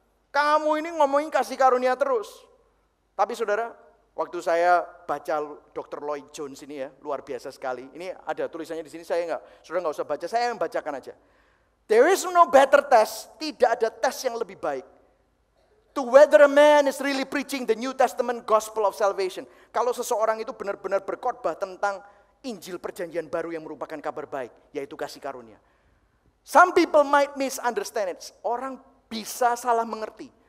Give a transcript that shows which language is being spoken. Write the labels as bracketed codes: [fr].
[id] Kamu ini ngomongin kasih karunia terus. Tapi saudara, waktu saya baca Dr. Lloyd-Jones ini ya, luar biasa sekali. Ini ada tulisannya di sini, saudara gak usah baca, saya yang bacakan aja. [en] There is no better test, [id] tidak ada tes yang lebih baik. [en] To whether a man is really preaching the New Testament gospel of salvation. [id] Kalau seseorang itu benar-benar berkhotbah tentang Injil perjanjian baru yang merupakan kabar baik, yaitu kasih karunia. [en] Some people might misunderstand it. [id] Orang bisa salah mengerti.